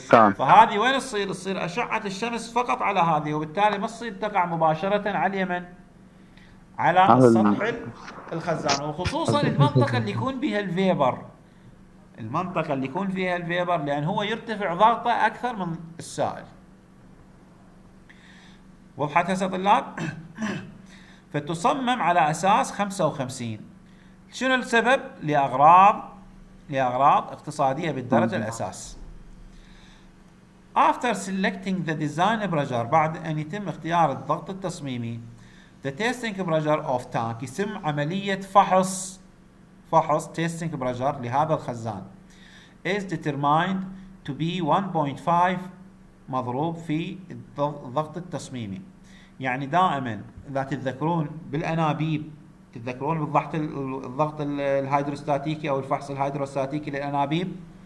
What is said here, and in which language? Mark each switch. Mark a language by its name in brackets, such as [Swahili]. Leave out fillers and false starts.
[Arabic] فهذه وين تصير؟ تصير أشعة الشمس فقط على هذه، وبالتالي ما تصير تقع مباشرة على اليمن، على سطح الخزان، وخصوصا المنطقة اللي يكون بها الفيبر، المنطقة اللي يكون فيها الفيبر، لأن هو يرتفع ضغطه أكثر من السائل. وضحت هسه طلاب؟ فتصمم على أساس 55. شنو السبب؟ لأغراض اقتصادية بالدرجة الأساس. [English] After selecting the design pressure، [Arabic] بعد أن يتم اختيار الضغط التصميمي، [English] the testing pressure of tank، [Arabic] يتم عملية فحص [English] testing pressure [Arabic] لهذا الخزان، [English] is determined to be 1.5 [Arabic] مضروب في الضغط التصميمي. يعني دائما إذا تتذكرون بالأنابيب، تتذكرون بالضغط الضغط الهيدروستاتيكي أو الفحص الهيدروستاتيكي للأنابيب.